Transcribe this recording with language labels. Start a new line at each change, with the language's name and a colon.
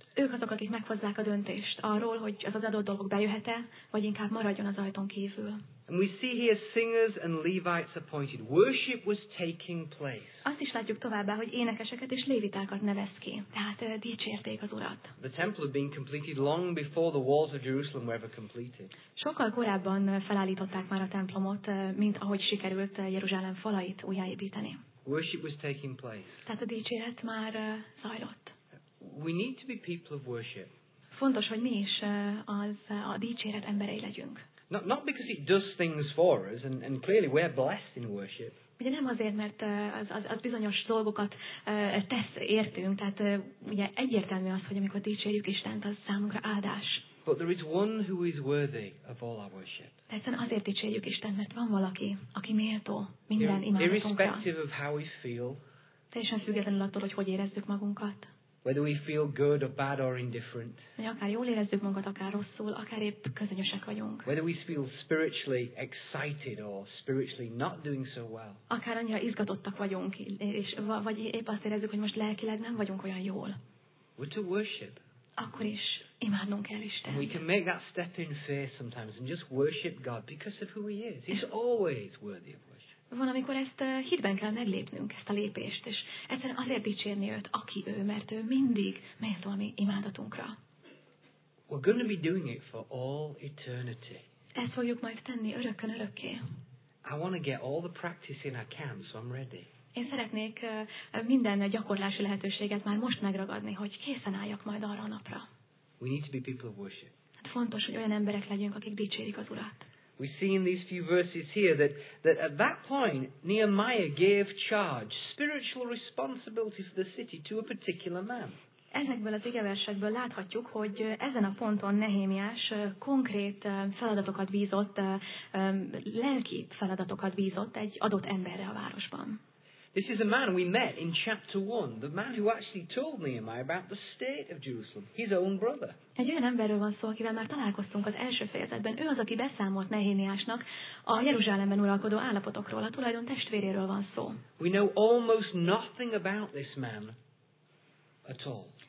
Hungarian: Ők azok, akik meghozzák a döntést arról, hogy az adott dolog bejöhet-e, vagy inkább maradjon az ajtón kívül.
English: And we see here singers and Levites appointed. Worship was taking place.
Hungarian: Azt is látjuk továbbá, hogy énekeseket és lévitákat nevez ki. Tehát dicsérték az Urat.
English: The temple had been completed long before the walls of Jerusalem were ever completed.
Hungarian: Sokkal korábban felállították már a templomot, mint ahogy sikerült Jeruzsálem falait újjáépíteni.
English: Worship was taking place.
Hungarian: Tehát a dicséret már zajlott.
English: we need to be people of worship.
Hungarian: Fontos, hogy mi is az a dicséret emberei legyünk.
English: Not because it does things for us, and clearly we're blessed in worship.
Hungarian: Ugye nem azért, mert az bizonyos dolgokat tesz értünk, tehát ugye egyértelmű az, hogy amikor dicsérjük Istent, az számunkra áldás.
English: But there is one who is worthy of all our worship.
Hungarian: Egyszerűen azért dicsérjük Istent, mert van valaki, aki méltó minden imádatunkra.
English: Irrespective of how we feel.
Hungarian: Teljesen függetlenül attól, hogy hogy érezzük magunkat.
English: Whether we feel good or bad or indifferent.
Hungarian: Akár jól érezzük magunkat, akár rosszul, akár épp közönösek vagyunk.
English: Whether we feel spiritually excited or spiritually not doing so well.
Hungarian: Akár annyira izgatottak vagyunk, és vagy épp azt érezzük, hogy most lelkileg nem vagyunk olyan jól.
English: We're to worship.
Hungarian: Akkor is imádnunk kell Istent.
English: We can make that step in faith sometimes and just worship God because of who He is. He's always worthy of worship.
Hungarian: Van, amikor ezt hitben kell meglépnünk, ezt a lépést, és egyszerűen azért dicsérni őt, aki ő, mert ő mindig méltó a mi imádatunkra.
English: We're going to be doing it for all eternity.
Hungarian: Ezt fogjuk majd tenni örökkön örökké.
English: I want to get all the practice in I can, so I'm ready.
Hungarian: Én szeretnék minden gyakorlási lehetőséget már most megragadni, hogy készen álljak majd arra a napra.
English: We need to be people of worship.
Hungarian: Hát fontos, hogy olyan emberek legyünk, akik dicsérik az Urat.
English: We see in these few verses here that at that point Nehemiah gave charge, spiritual responsibility for the city to a particular man.
Hungarian: Ezekből az igeversekből láthatjuk, hogy ezen a ponton Nehémiás konkrét feladatokat bízott, lelki feladatokat bízott egy adott emberre a városban.
English: This is a man we met in chapter 1, the man who actually told Nehemiah about the state of Jerusalem, his own brother.
Hungarian: Egy olyan emberről van szó, akivel már találkoztunk az első fejezetben. Ő az, aki beszámolt Nehémiásnak a Jeruzsálemben uralkodó állapotokról, a tulajdon testvéréről van szó.
English: We know almost nothing about this man at all.